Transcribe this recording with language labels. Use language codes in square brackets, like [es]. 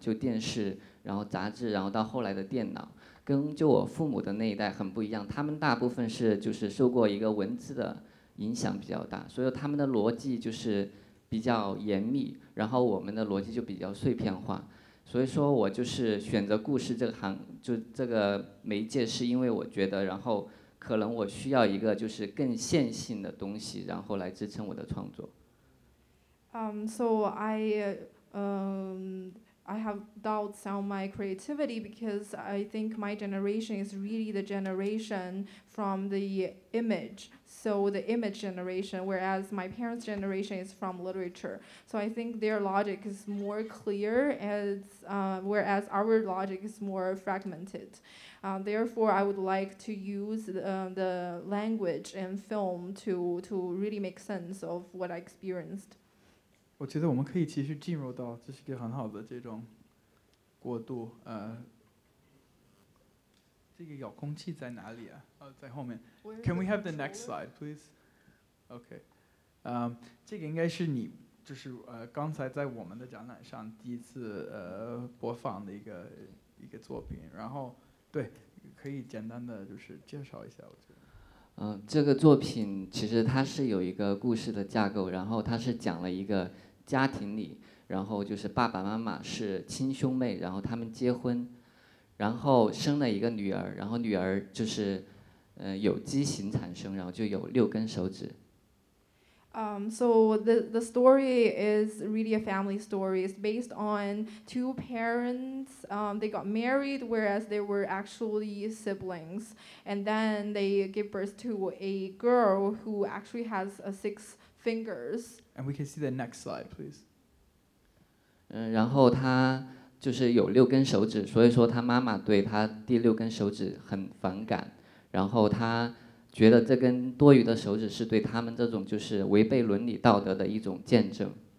[zh] 因为我是觉得我对我自己的创作有一个怀疑，因为我发现我们这一代然后是图像的一代，就是从小的生活经验都跟图像有关，就电视，然后杂志，然后到后来的电脑。跟就我父母的那一代很不一样，他们大部分是就是受过一个文字的影响比较大，所以他们的逻辑就是比较严密，然后我们的逻辑就比较碎片化，所以说我就是选择故事这个行就这个媒介，是因为我觉得然后可能我需要一个就是更线性的东西然后来支撑我的创作。 [en] So I have doubts on my creativity because I think my generation is really the generation from the image, so the image generation, whereas my parents' generation is from literature. So I think their logic is more clear, whereas our logic is more fragmented. Therefore, I would like to use the language and film to really make sense of what I experienced. [zh] 我觉得我们可以其实进入到这是一个很好的这种过渡，这个遥控器在哪里啊？在后面。 [en] Can we have the next slide, please? Okay. [zh] 这个应该是你就是刚才在我们的展览上第一次播放的一个作品，然后对，可以简单的就是介绍一下，我觉得。这个作品其实它是有一个故事的架构，然后它是讲了一个。家庭里，然后就是爸爸妈妈是亲兄妹，然后他们结婚，然后生了一个女儿，然后女儿就是，有畸形产生，然后就有六根手指。 [en] So the story is really a family story. It's based on two parents. They got married, whereas they were actually siblings, and then they give birth to a girl who actually has a six fingers. And we can see the next slide, please. [zh] 然后他就是有六根手指，所以说他妈妈对他第六根手指很反感，然后他觉得这根多余的手指是对他们这种就是违背伦理道德的一种见证。